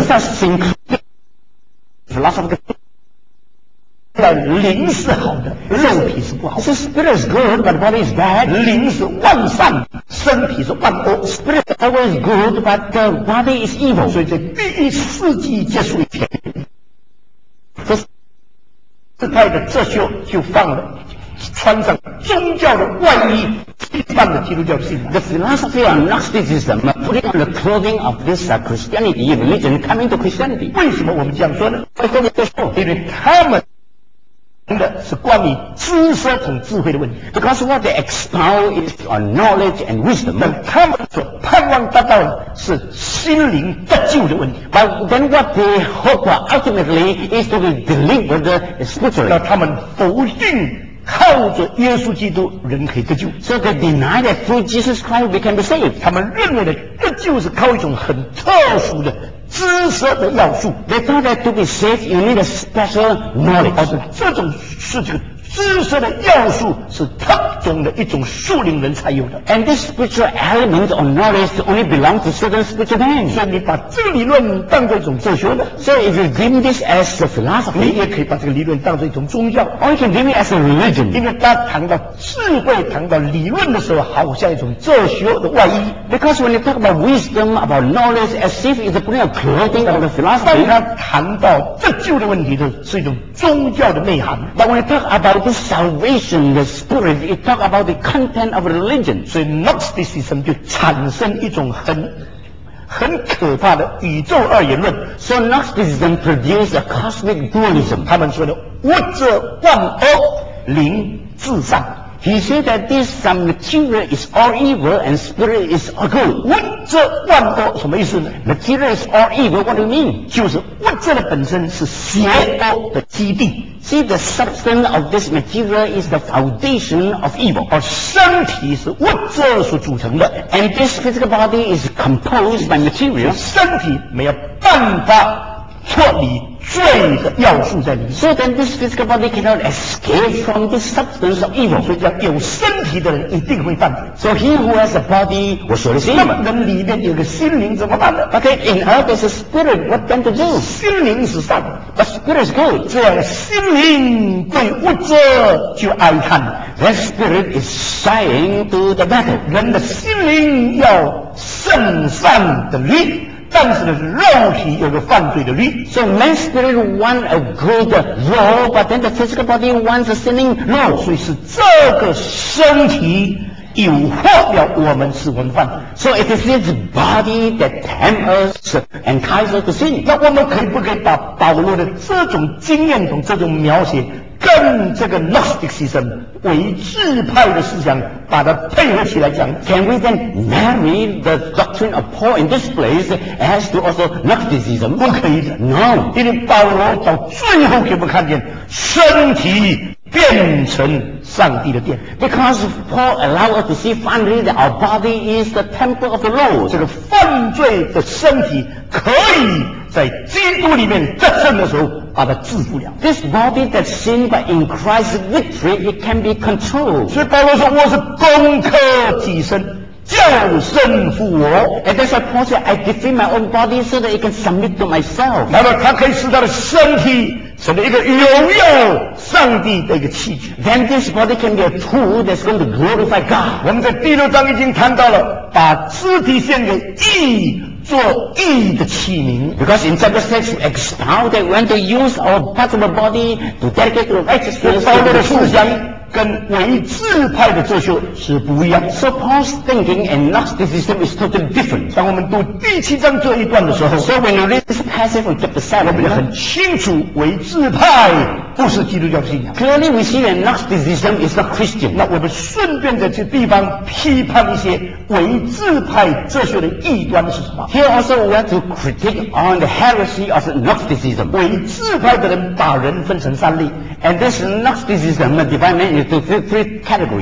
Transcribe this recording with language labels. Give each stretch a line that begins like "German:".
Chinese: 是 syncretic
English: philosophy。
Chinese: 灵是好的，肉体是不好的。
English: So spirit is good, but body is bad.
Chinese: 灵是万善，身体是万恶。
English: Spirit is always good, but the body is evil.
Chinese: 所以在第一世纪结束以前，这自派的哲学就放了，穿上宗教的外衣。
English: The philosophy of Gnosticism putting on the clothing of this Christianity religion coming to Christianity.
Chinese: 为什么我们这样说呢？为什么这么说？因为他们的是关于知识和智慧的问题。
English: Because what they expound is on knowledge and wisdom.
Chinese: 但他们所盼望得到的是心灵得救的问题。
English: But then what they hope ultimately is to be delivered spiritually.
Chinese: 那他们否定。靠着耶稣基督人可以得救
English: So they deny that through Jesus Christ we can be saved
Chinese: 他们认为的得救是靠一种很特殊的知识的要素
English: They thought that to be saved you need a special knowledge
Chinese: 这种是这个知识的要素是特种的一种树林人才有的。
English: And this spiritual element or knowledge only belongs to certain spiritual beings.
Chinese: 所以你把这个理论当作一种哲学呢
English: ？So if you deem this as a philosophy,
Chinese: 你也可以把这个理论当作一种宗教。
English: Or you can deem it as a religion.
Chinese: 因为他谈到智慧、谈到理论的时候，好像一种哲学的外衣。
English: Because when you talk about wisdom, about knowledge, as if it's a kind of clothing of the philosophy.
Chinese: 当他谈到这旧的问题的是一种宗教的内涵。
English: But when you talk about the salvation, the spirit, you talk about the content of religion.
Chinese: 所以 Gnosticism 就产生一种很可怕的宇宙二元论。
English: So Gnosticism produced a cosmic dualism.
Chinese: 他们说的物质万恶，灵至上。
English: He said that this some material is all evil and spirit is all good.
Chinese: 物质万恶什么意思呢
English: ？Material is all evil. What do you mean?
Chinese: 就是物质的本身是邪恶的基地。
English: See, the substance of this material is the foundation of evil.
Chinese: 而身体是物质所组成的。
English: And this physical body is composed by material.
Chinese: 身体没有办法脱离。罪的要素在里面。
English: So then this physical body cannot escape from this substance of evil.
Chinese: 所以叫有身体的人一定会犯罪。
English: So he who has a body,
Chinese: 我说的是什么？人里面有个心灵怎么办呢
English: ？Okay, in her there's a spirit. What then to do?
Chinese: 心灵是善的
English: ，but spirit is good.
Chinese: 这样心灵对物质就哀叹了。
English: The spirit is sighing to the battle.
Chinese: 人的心灵要胜善的力。但是呢，肉体有个犯罪的律。
English: So man's spirit wants a good law, but then the physical body wants a sinning law.
Chinese: 所以是这个身体诱惑了我们，使我们犯罪。
English: So it is this body that tempts us and causes us to sin.
Chinese: 那我们可以不可以把保罗的这种经验中这种描写，跟这个 Gnosticism 唯智派的思想把它配合起来讲
English: Can we then marry the doctrine of Paul in this place as to also Gnosticism?
Chinese: 不可以的
English: No
Chinese: 因为保罗到最后给我们看见身体变成上帝的殿
English: Because Paul allowed us to see finally that our body is the temple of the Lord
Chinese: 这个犯罪的身体可以在基督里面得胜的时候把它制服了
English: This body that sinned but in Christ's victory it can be controlled
Chinese: 所以保罗说我是攻克己身叫身负我
English: And that's why Paul said I defeat my own body so that it can submit to myself
Chinese: 那么他可以使他的身体成为一个荣耀上帝的一个器具
English: Then this body can be a tool that's going to glorify God
Chinese: 我们在第六章已经谈到了把肢体献给义做义的器皿
English: Because in chapter 6 we expound that we want to use our parts of our body to dedicate to righteousness
Chinese: 保罗的思想跟唯智派的哲学是不一样
English: So Paul's thinking and Gnosticism is totally different
Chinese: 当我们读第七章这一段的时候
English: So when you read this passage from chapter 7
Chinese: 我们就很清楚唯智派不是基督教信仰
English: Clearly we see that Gnosticism is not Christian
Chinese: 那我们顺便在这地方批判一些唯智派哲学的异端是什么
English: Here also we have to critique on the heresy of Gnosticism
Chinese: 唯智派的人把人分成三类
English: And this Gnosticism divides man into three categories.